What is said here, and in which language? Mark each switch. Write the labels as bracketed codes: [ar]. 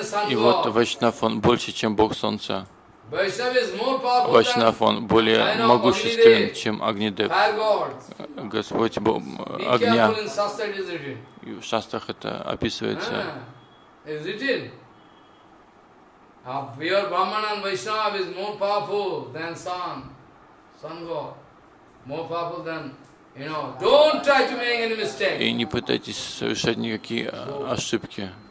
[ru] И вот Вайшнав, он больше, чем Бог Солнца. Вайшнав, он более могущественен, чем Агнидев, Господь Бог Огня. И в шастрах это описывается. [en] Your Brahman and Vaishnava is more powerful than sun, sun god, more powerful than, you know. Don't try to make any mistake. [ru] И не пытайтесь совершать никакие ошибки.